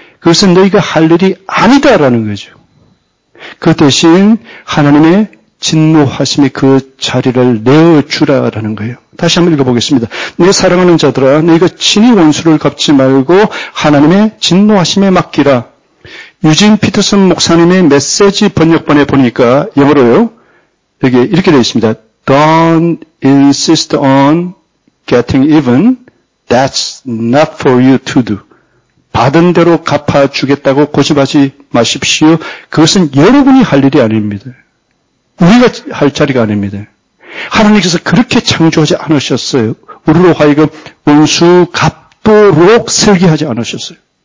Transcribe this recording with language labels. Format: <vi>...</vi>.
<ko>그것은 너희가 할 일이 아니다라는 거죠. 그 대신 하나님의 진노하심의 그 자리를 내어주라라는 거예요. 다시 한번 읽어보겠습니다. 내 사랑하는 자들아, 너희가 친히 원수를 갚지 말고 하나님의 진노하심에 맡기라. 유진 피터슨 목사님의 메시지 번역본에 보니까 영어로요, 여기 이렇게 되어 있습니다.</ko> <en>Don't insist on getting even. That's not for you to do.</en> <ko>받은 대로 갚아주겠다고 고집하지 마십시오. 그것은 여러분이 할 일이 아닙니다. 우리가 할 자리가 아닙니다. 하나님께서 그렇게 창조하지 않으셨어요. 우리로 하여금 원수 갚도록 설계하지 않으셨어요.</ko>